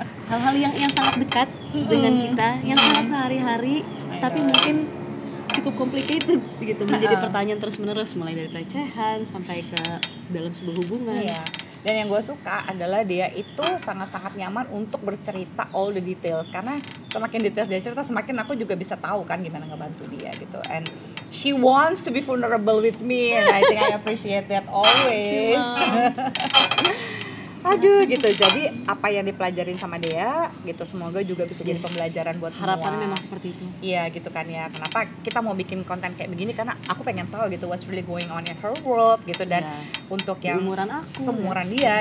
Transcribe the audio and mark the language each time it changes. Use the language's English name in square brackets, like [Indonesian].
[Indonesian] Hal-hal yang sangat dekat dengan kita, yang sangat sehari-hari, tapi mungkin cukup complicated gitu, menjadi pertanyaan terus-menerus mulai dari pelecehan sampai ke dalam sebuah hubungan. Iya. Dan yang gue suka adalah dia itu sangat-sangat nyaman untuk bercerita [English] all the details, [Indonesian] karena semakin details dia cerita, semakin aku juga bisa tahu kan gimana ngebantu dia gitu. [English] And she wants to be vulnerable with me and I think I appreciate that always. [Indonesian] Aduh gitu, jadi apa yang dipelajarin sama Dea gitu, semoga juga bisa jadi pembelajaran buat semua. Harapannya memang seperti itu. Iya gitu kan ya, kenapa kita mau bikin konten kayak begini, karena aku pengen tahu gitu [English] what's really going on in her world [Indonesian] gitu. Dan untuk yang umuran aku, semuran ya.